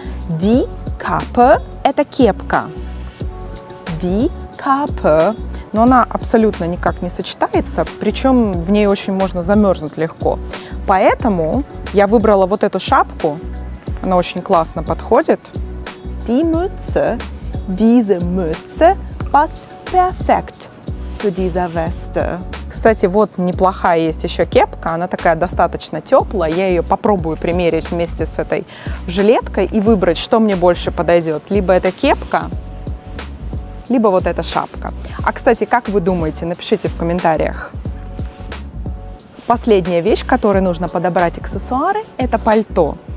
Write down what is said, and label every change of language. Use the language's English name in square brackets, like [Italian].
[German] Die Mütze. [Russian] Капе – это кепка. [German] Die Kappe. [Russian] Но она абсолютно никак не сочетается, причем в ней очень можно замерзнуть легко. Поэтому я выбрала вот эту шапку. Она очень классно подходит. [German] Die Mütze. Diese Mütze passt perfekt zu dieser Weste. [Russian] Кстати, вот неплохая есть еще кепка, она такая достаточно теплая. Я ее попробую примерить вместе с этой жилеткой и выбрать, что мне больше подойдет. Либо эта кепка, либо вот эта шапка. А, кстати, как вы думаете, напишите в комментариях. Последняя вещь, которой нужно подобрать аксессуары, это пальто.